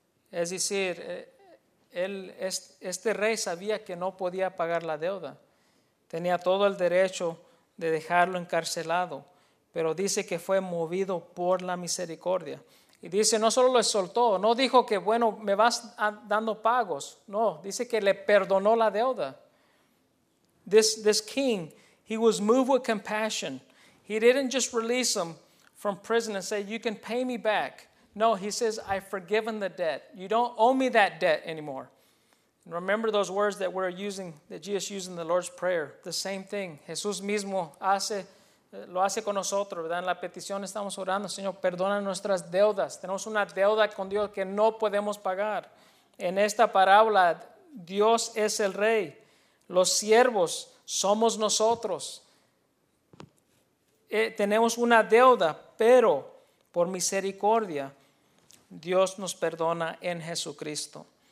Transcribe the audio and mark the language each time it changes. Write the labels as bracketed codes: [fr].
[es] Es decir, este rey sabía que no podía pagar la deuda. Tenía todo el derecho de dejarlo encarcelado, pero dice que fue movido por la misericordia. Y dice, no solo le soltó, no dijo que, bueno, me vas dando pagos. No, dice que le perdonó la deuda. [en] This king, he was moved with compassion. He didn't just release him from prison and say, you can pay me back. No, he says, I've forgiven the debt. You don't owe me that debt anymore. And remember those words that we're using, that Jesus used in the Lord's Prayer. The same thing. [es] Jesús mismo lo hace con nosotros, ¿verdad? En la petición estamos orando, Señor, perdona nuestras deudas. Tenemos una deuda con Dios que no podemos pagar. En esta parábola, Dios es el Rey. Los siervos somos nosotros. Tenemos una deuda, pero por misericordia, Dios nos perdona en Jesucristo.